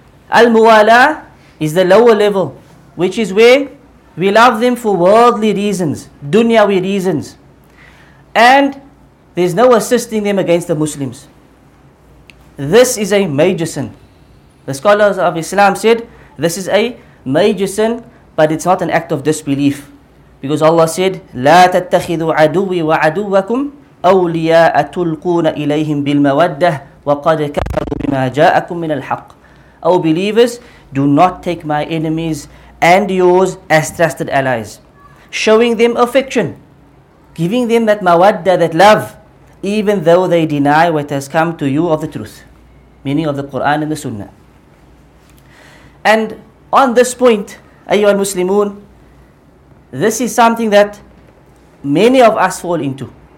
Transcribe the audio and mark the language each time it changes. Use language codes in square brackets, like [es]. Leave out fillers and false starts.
[en] Al-muwala is the lower level, which is where we love them for worldly reasons, dunyawi reasons. And there's no assisting them against the Muslims. This is a major sin. The scholars of Islam said, this is a major sin, but it's not an act of disbelief. Because Allah said, [ar] لا تتخذوا عدوي وعدوكم أولياء تلقون إليهم بالمودة وقد كفروا بما جاءكم من الحق. [en] O believers, do not take my enemies and yours as trusted allies. Showing them affection, giving them that mawadda, that love, even though they deny what has come to you of the truth. Meaning of the Quran and the Sunnah. And on this point, ayyuha al-Muslimun, this is something that many of us fall into.